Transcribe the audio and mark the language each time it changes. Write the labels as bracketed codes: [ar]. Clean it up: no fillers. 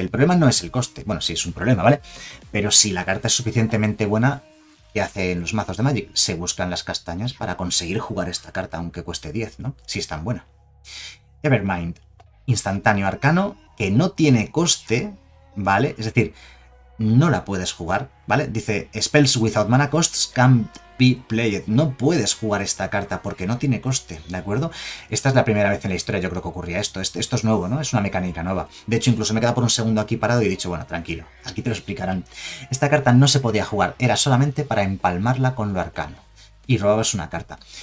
[es] El problema no es el coste. Bueno, sí, es un problema, ¿vale? Pero si la carta es suficientemente buena, ¿qué hacen los mazos de Magic? Se buscan las castañas para conseguir jugar esta carta, aunque cueste 10, ¿no? Si es tan buena. Evermind. Instantáneo arcano que no tiene coste, ¿vale? Es decir, no la puedes jugar, ¿vale? [en] Dice, spells without mana costs can't be played. [es] No puedes jugar esta carta porque no tiene coste, ¿de acuerdo? Esta es la primera vez en la historia, yo creo, que ocurría esto. Esto es nuevo, ¿no? Es una mecánica nueva. De hecho, incluso me he quedado por un segundo aquí parado y he dicho, bueno, tranquilo, aquí te lo explicarán. Esta carta no se podía jugar, era solamente para empalmarla con lo arcano. Y robabas una carta.